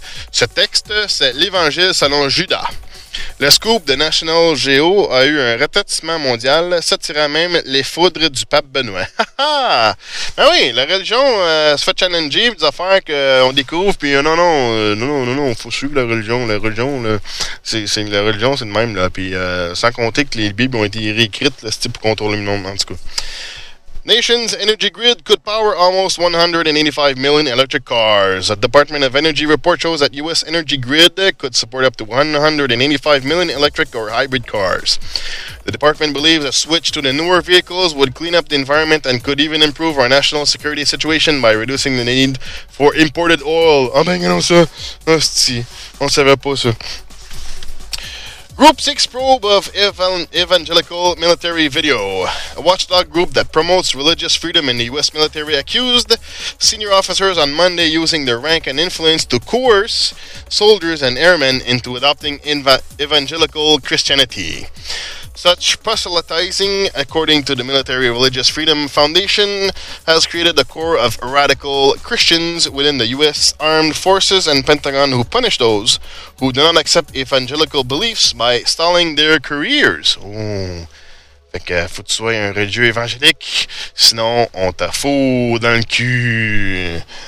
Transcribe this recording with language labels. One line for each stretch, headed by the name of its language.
French: Ce texte, c'est l'Évangile selon Judas. Le scoop de National Geo a eu un retentissement mondial, s'attirant même les foudres du pape Benoît. Ben oui, la religion se fait challenger des affaires qu'on découvre, puis non, faut suivre la religion. La religion, là, c'est la religion, c'est de même, là. Puis sans compter que les Bibles ont été réécrites, là, c'est pour contrôler le monde, en tout cas.
English: Nation's energy grid could power almost 185 million electric cars. A Department of Energy report shows that U.S. energy grid could support up to 185 million electric or hybrid cars. The department believes a switch to the newer vehicles would clean up the environment and could even improve our national security situation by reducing the need for imported oil.
French: Ah ben, non, ça. Hostie. On savait pas ça.
English: Group 6 probe of evangelical military video. A watchdog group that promotes religious freedom in the U.S. military accused senior officers on Monday using their rank and influence to coerce soldiers and airmen into adopting evangelical Christianity. Such proselytizing, according to the Military Religious Freedom Foundation, has created a core of radical Christians within the U.S. Armed Forces and Pentagon who punish those who do not accept evangelical beliefs by stalling their careers. Oh.
French: Fait que faut que tu sois un religieux évangélique, sinon on t'a foutu dans le cul.